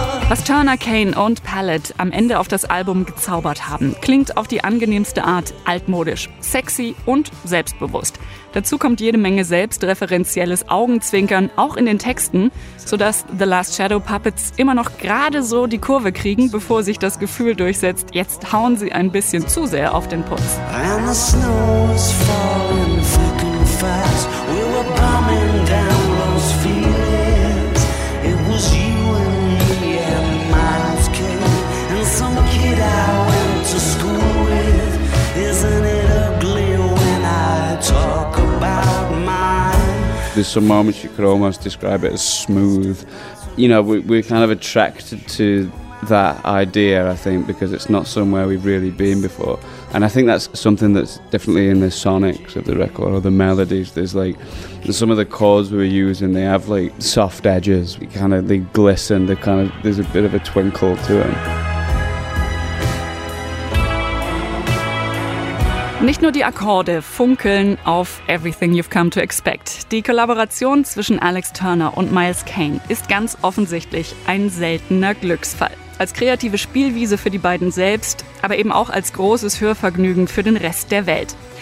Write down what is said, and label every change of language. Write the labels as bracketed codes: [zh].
[de] Was Turner, Kane und Palette am Ende auf das Album gezaubert haben, klingt auf die angenehmste Art altmodisch, sexy und selbstbewusst. Dazu kommt jede Menge selbstreferenzielles Augenzwinkern, auch in den Texten, sodass The Last Shadow Puppets immer noch gerade so die Kurve kriegen, bevor sich das Gefühl durchsetzt, jetzt hauen sie ein bisschen zu sehr auf den Putz. [en] And the snow was falling, flicking fast. We were bombing down those fields. It was you and me and Miles King and some kid I went to school with. Isn't it ugly when I talk about mine? There's some moments you could almost describe it as smooth. You know, we're kind of attracted to that idea, I think, because it's not somewhere we've really been before. And I think that's something that's definitely in the sonics of the record, or the melodies. There's like some of the chords we were using, they have like soft edges, they glisten, there's a bit of a twinkle to them. [de] Nicht nur die Akkorde funkeln auf Everything You've Come to Expect. Die Kollaboration zwischen Alex Turner und Miles Kane ist ganz offensichtlich ein seltener Glücksfall. Als kreative Spielwiese für die beiden selbst, aber eben auch als großes Hörvergnügen für den Rest der Welt.